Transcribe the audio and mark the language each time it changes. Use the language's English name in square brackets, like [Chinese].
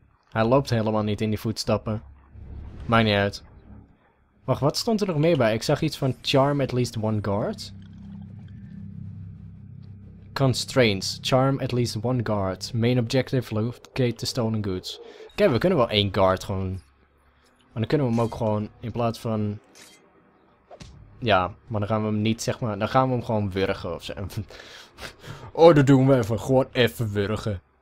[Dutch] Hij loopt helemaal niet in die voetstappen. Maakt niet uit. Wacht, wat stond er nog meer bij? Ik zag iets van [English] charm at least one guard. Constraints. Charm at least one guard. Main objective, locate the stolen goods. [Dutch] Oké, we kunnen wel één guard gewoon. Maar dan kunnen we hem ook gewoon in plaats van... Ja, maar dan gaan we hem niet zeg maar... Dan gaan we hem gewoon wurgen of zo. Oh, dat doen we even. Gewoon even wurgen.